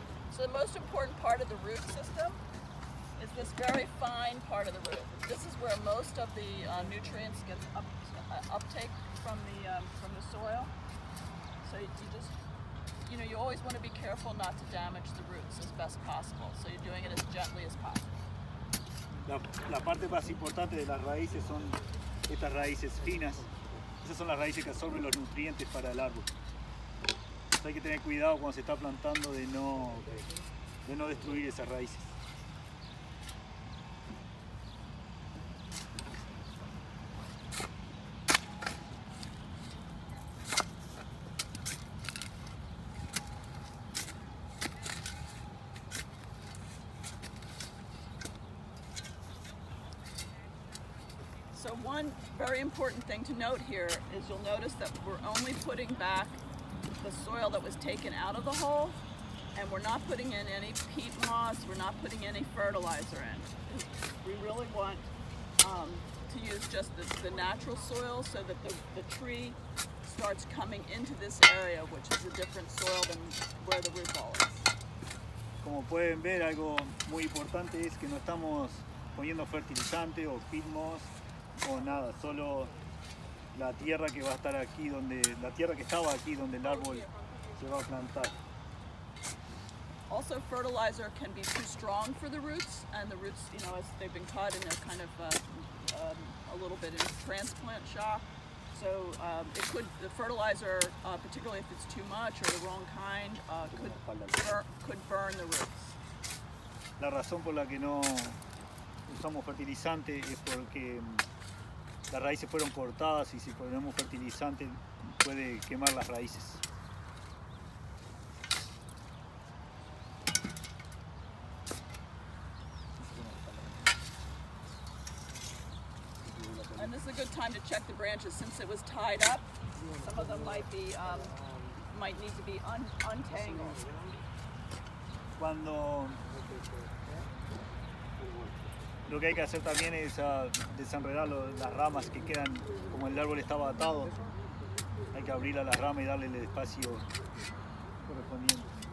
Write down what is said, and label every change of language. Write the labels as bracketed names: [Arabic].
[English] So the most important part of the root system is this very fine part of the root. This is where most of the nutrients get uptake from the soil. So you just, you know, you always want to be careful not to damage the roots as best possible. So you're doing it as gently as possible. [Spanish] La parte más importante de las raíces son estas raíces finas. Esas son las raíces que absorben los nutrientes para el árbol. Entonces hay que tener cuidado cuando se está plantando de no destruir esas raíces. [English] So one very important thing to note here is you'll notice that we're only putting back the soil that was taken out of the hole, and we're not putting in any peat moss, we're not putting any fertilizer in. We really want to use just the natural soil so that the tree starts coming into this area, which is a different soil than where the root ball is. [Spanish] Como pueden ver, algo muy importante es que no estamos poniendo fertilizante o peat moss. O nada, solo la tierra que va a estar aquí, donde la tierra que estaba aquí, donde el árbol se va a plantar. [English] Also, fertilizer can be too strong for the roots, and the roots, you know, as they've been cut and they're kind of a little bit in transplant shock. So it could, the fertilizer, particularly if it's too much or the wrong kind, could burn the roots. [Spanish] La razón por la que no usamos fertilizante es porque las raíces fueron cortadas y si ponemos fertilizante puede quemar las raíces. [English] And this is a good time to check the branches since it was tied up. Some of them might be might need to be untangled. [Spanish] Cuando lo que hay que hacer también es desenredar las ramas que quedan, como el árbol estaba atado. Hay que abrir a las ramas y darle el espacio correspondiente.